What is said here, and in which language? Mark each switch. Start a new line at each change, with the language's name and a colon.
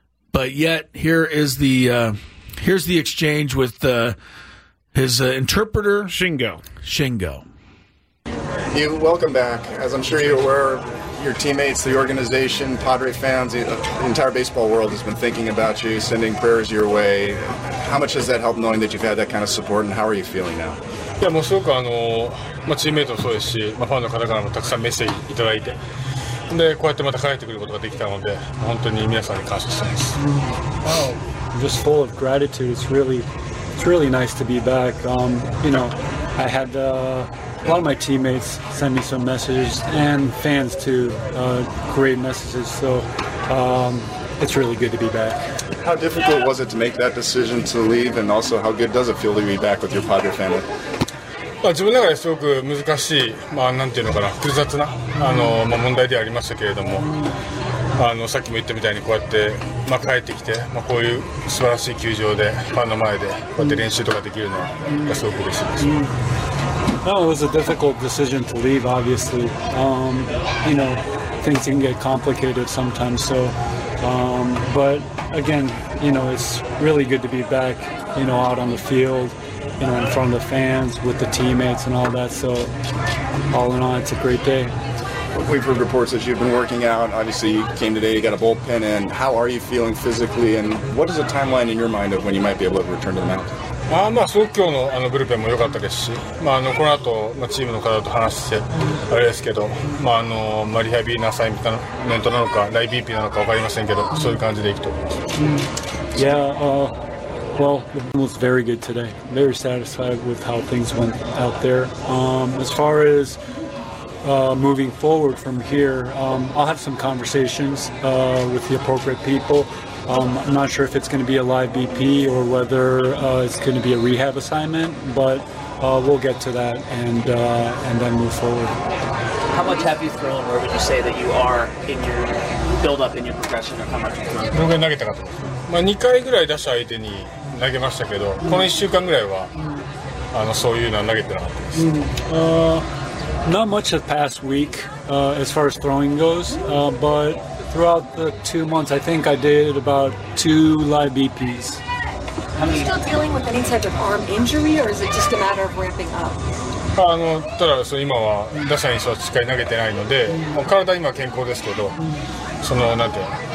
English: But yet, here is the exchange with his interpreter, Shingo. You, welcome back. As I'm sure you're aware, your teammates, the organization, Padre fans, the entire baseball world has been thinking about you, sending prayers your way. How much has that helped knowing that you've had that kind of support, and how are you feeling now? Yeah,
Japanese: もうすごくチームメイトもそうですし、ファンの方からもたくさんメッセージいただいて。で、こうやってまた帰ってくることができたので、本当に皆さんに感謝しています。
English: Oh, I'm just full of gratitude. It's really nice to be back. You know, I had a lot of my teammates send me some messages and fans too, great messages. So, it's really good to be back. How difficult was it to make that decision to leave, and also how good does it feel to be back with your Padre family?
Japanese: まあ、自分の中ですごく難しい、まあ、なんていうのかな、複雑な、まあ、問題ではありましたけれども、さっきも言ったみたいにこうやって、まあ、帰ってきて、まあ、こういう素晴らしい球場でファンの前でこうやって練習とかできるのはすごく嬉しいです。
English: No, it was a difficult decision to leave, obviously. You know, things can get complicated sometimes. So, but again, you know, it's really good to be back, you know, out on the field. You know, in front of the fans, with the teammates and all that. So, all in all, it's a great day. We've heard reports that you've been working out. Obviously, you came today, you got a bullpen in. How are you feeling physically? And what is the timeline in your mind of when you might be able to return to the mound?
Japanese: まあまあすごく今日のあのブルペンも良かったですし、まああのこの後まあチームの方と話してあれですけど、まああのまあリハビリのアサインメントなのかライBPなのか分かりませんけど、そういう感じでいくと思います。
English: Yeah. Well, the team was very good today. Very satisfied with how things went out there. As far as moving forward from here, I'll have some conversations with the appropriate people. I'm not sure if it's going to be a live BP or whether it's going to be a rehab assignment, but we'll get to that and then move forward. How much have you thrown, or would you say that you are in your build-up, in your progression, or how much have you thrown?
Japanese: 何回投げたかと。まあ、2回ぐらい出した相手に投げましたけど、この1週間ぐらいはあのそういうのは投げてなかったです。
English: Not much the past week as far as throwing goes, but throughout the 2 months, I think I did about 2 live BPs. Are you still dealing with any type of arm injury, or is it just a matter of ramping up?
Japanese: あのただそ今は打者にしっかり投げてないので、もう体今は健康ですけど、そのなんていうの。